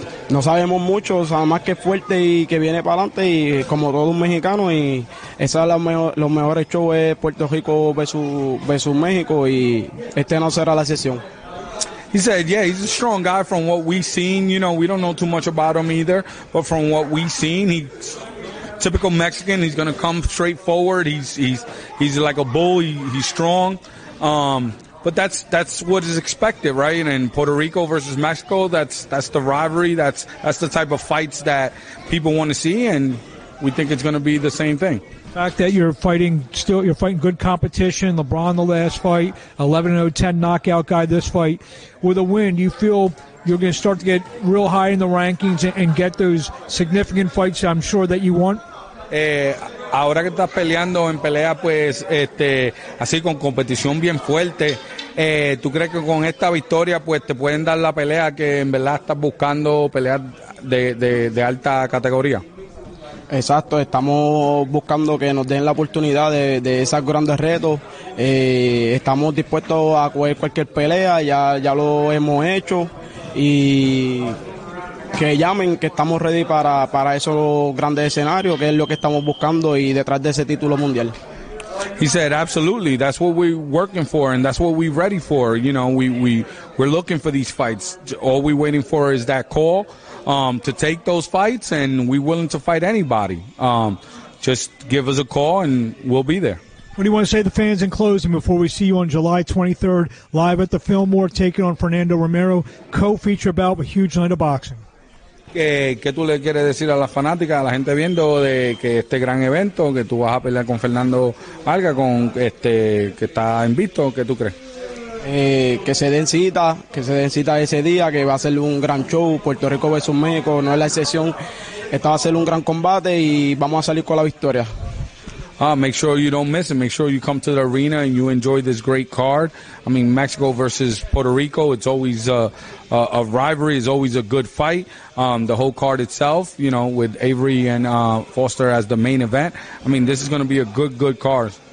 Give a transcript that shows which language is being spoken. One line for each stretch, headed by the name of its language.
Spanish: No sabemos mucho, o sea, más que fuerte y que viene para adelante y como todo un mexicano y esa es los mejores shows es Puerto Rico versus México y este no será la excepción.
English: He said, yeah, he's a strong guy from what we've seen. You know, we don't know too much about him either, but from what we've seen, he's typical Mexican. He's going to come straight forward. He's like a bull. He's strong. But that's what is expected, right? And Puerto Rico versus Mexico, that's the rivalry. That's the type of fights that people want to see, and we think it's going to be the same thing. The fact that you're fighting good competition, LeBron the last fight, 11-0, 10 knockout guy this fight, with a win, you feel you're going to start to get real high in the rankings and get those significant fights I'm sure that you want?
Spanish: Ahora que estás peleando en pelea, pues, así con competición bien fuerte, ¿tú crees que con esta victoria, pues, te pueden dar la pelea que en verdad estás buscando, pelear de alta categoría? Exacto, estamos buscando que nos den la oportunidad de esos grandes retos. Estamos dispuestos a coger cualquier pelea, ya lo hemos hecho. Y que llamen, que estamos ready para esos grandes escenarios, que es lo que estamos buscando y detrás de ese título mundial.
English: He said, absolutely, that's what we're working for and that's what we're ready for. You know, we're looking for these fights. All we're waiting for is that call. To take those fights, and we're willing to fight anybody. Just give us a call, and we'll be there. What do you want to say to the fans in closing before we see you on July 23rd, live at the Fillmore, taking on Fernando Romero, co-feature bout with huge night of boxing?
Spanish: ¿Qué tú le quieres decir a las fanáticas, a la gente viendo de que este gran evento, que tú vas a pelear con Fernando Alga, con este que está invicto, qué tú crees? Que se den cita ese día, que va a ser un gran show, Puerto Rico versus México, no es la excepción. Esto va a ser un gran combate y vamos a salir con la victoria.
English: Make sure you don't miss it. Make sure you come to the arena and you enjoy this great card. I mean, Mexico versus Puerto Rico, it's always a rivalry. It's always a good fight. The whole card itself, you know, with Avery and Foster as the main event. I mean, this is going to be a good, good card.